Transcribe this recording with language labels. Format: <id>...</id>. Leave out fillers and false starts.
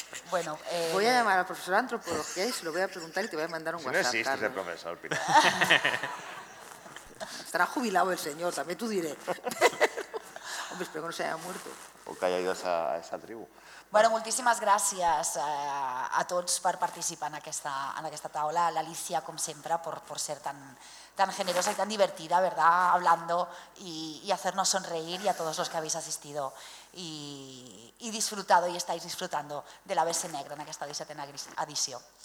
<es>Bueno, voy a llamar al profesor de antropología y se lo voy a preguntar y te voy a mandar un WhatsApp. Si no existe ese profesor, Pilar. Estará jubilado el señor, también tú diré. Hombre, espero que no se haya muerto. O que haya ido a esa tribu.</es> <ca>Bueno, moltíssimes gràcies a tots per participar en aquesta taula. L'Alicia, com sempre, per ser tan generosa i tan divertida, ¿verdad?</ca> <es>Hablando y hacernos sonreír y a todos los que habéis asistido y disfrutado y estáis disfrutando de la Bestia Negra en</es> <ca>aquesta 17a edició.</ca>